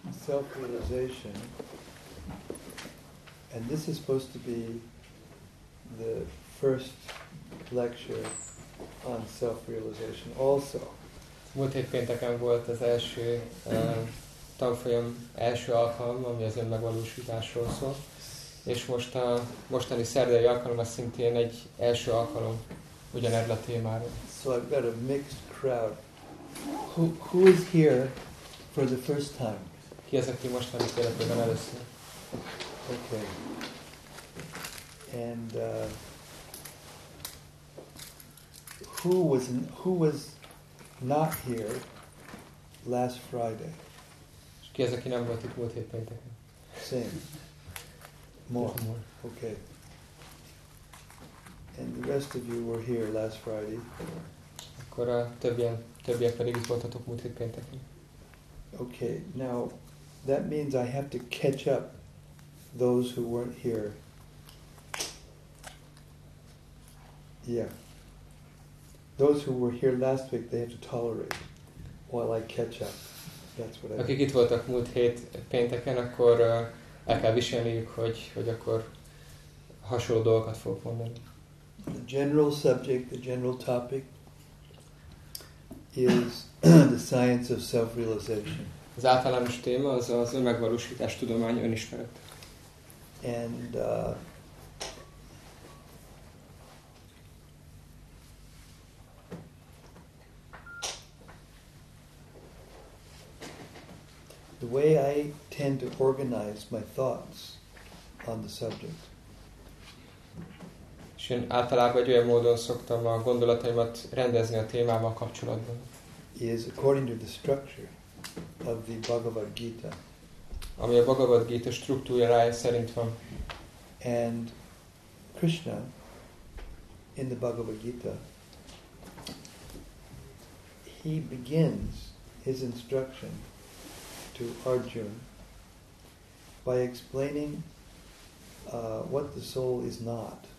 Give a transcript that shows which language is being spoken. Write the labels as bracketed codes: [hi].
[en] self-realization, and this is supposed to be the first lecture on self-realization also. [hu] Múlt hét pénteken volt az első tanfolyam első alkalom, ami az önmegvalósításról szól, és most a mostani szerdai alkalom az szintén egy első alkalom ugyanerről a témáról. [en] So I've got a mixed crowd. Who is here for the first time? [hu] Ki az, aki most van itt életében először? [en] Okay. And who was not here last Friday? [hu] És ki az, aki nem volt itt múlt hét pénteken? [en] Same. More. Okay. And the rest of you were here last Friday. [hu] Akkor a többiek pedig itt voltatok múlt hét pénteken. [en] Okay. Now that means I have to catch up those who weren't here. Yeah. Those who were here last week, they have to tolerate while I catch up. That's what I mean. [hu] Akik itt voltak múlt hét pénteken, akkor el kell viselniük, hogy akkor hasonló dolgokat fogok mondani. [en] The general subject, the general topic is the science of self-realization. [hu] Az általános téma az az önmegvalósítás tudomány, önismeret. [en] And the way I tend to organize my thoughts on the subject. [hu] És én általában egy olyan módon szoktam a gondolataimat rendezni a témával kapcsolatban. [en] Is according to the structure of the Bhagavad Gita. [hu] Ami a Bhagavad Gita struktúrája szerint van. [en] And Krishna in the Bhagavad Gita, he begins his instruction to Arjuna by explaining what the soul is not.